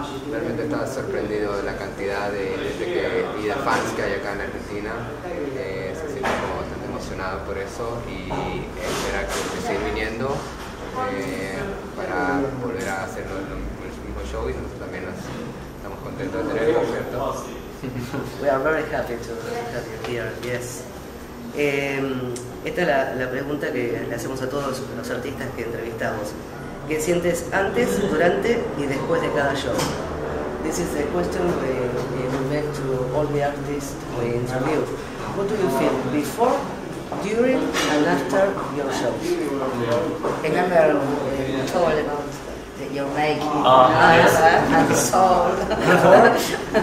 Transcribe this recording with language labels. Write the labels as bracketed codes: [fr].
[es] Realmente estaba sorprendido de la cantidad de fans que hay acá en Argentina. Se siente como bastante emocionado por eso y espera que siga viniendo para volver a hacer el mismo show, y nosotros también estamos contentos de tener el concierto. [en] We are very happy to have you here, yes. [es] Esta es la pregunta que le hacemos a todos los artistas que entrevistamos. ¿Qué sientes antes, durante y después de cada show? [en] This is the question we make to all the artists we interview. What do you feel before, during and after your shows? Remember you told about your making and soul.